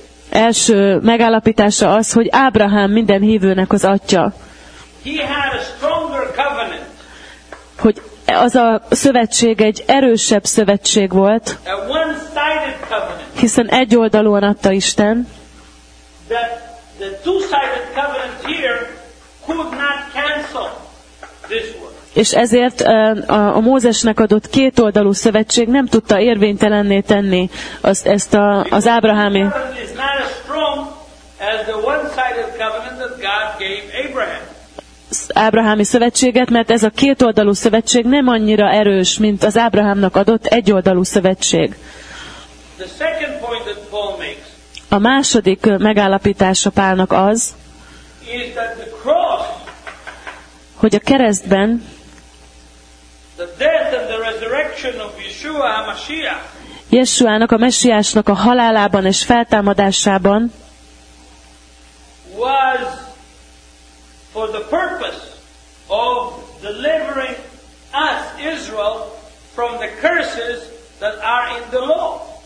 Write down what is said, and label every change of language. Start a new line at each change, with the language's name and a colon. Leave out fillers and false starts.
Hungarian: Első megállapítása az, hogy Ábrahám minden hívőnek az atya.
English: He had a stronger covenant.
Hungarian: Hogy az a szövetség egy erősebb szövetség volt.
English: A one-sided covenant.
Hungarian: Hiszen egy oldalúan adta Isten.
English: The two-sided covenant here could not cancel this one.
Hungarian: És ezért a Mózesnek adott két oldalú szövetség nem tudta érvénytelenné tenni az ábrahámi.
English: Is not as strong as the one-sided covenant that God gave Abraham.
Hungarian: Ábrahámi szövetséget, mert ez a két oldalú szövetség nem annyira erős, mint az Ábrahámnak adott egy oldalú szövetség.
English: The second point that Paul makes,
Hungarian: a második megállapítása Pálnak az,
English: is that the cross,
Hungarian: hogy a keresztben
English: the death and the resurrection of Yeshua HaMashiach,
Hungarian: Yeshuának, a Messiásnak a halálában és feltámadásában
English: was for the purpose of delivering us, Israel, from the curses that are in the law.